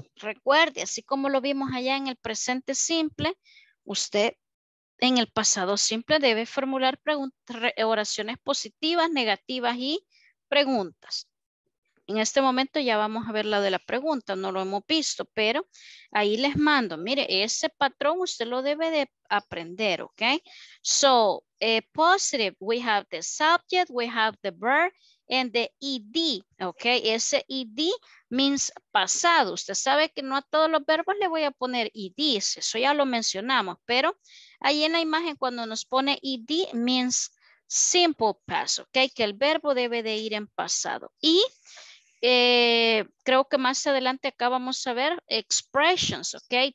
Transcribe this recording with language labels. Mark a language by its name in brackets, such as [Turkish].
[Spanish] Recuerde, así como lo vimos allá en el presente simple, usted en el pasado simple debe formular oraciones positivas, negativas y preguntas. En este momento ya vamos a ver la de la pregunta, no lo hemos visto, pero ahí les mando. Mire, ese patrón usted lo debe de aprender, ¿ok? [English] So, positive, we have the subject, we have the verb, and the ed, ¿ok? [Spanish] Ese ed [English] means [Spanish] pasado. Usted sabe que no a todos los verbos le voy a poner ed, eso ya lo mencionamos, pero ahí en la imagen cuando nos pone ed [English] means simple past, [Spanish] ¿ok? Que el verbo debe de ir en pasado. Y creo que más adelante acá vamos a ver expressions, ¿ok?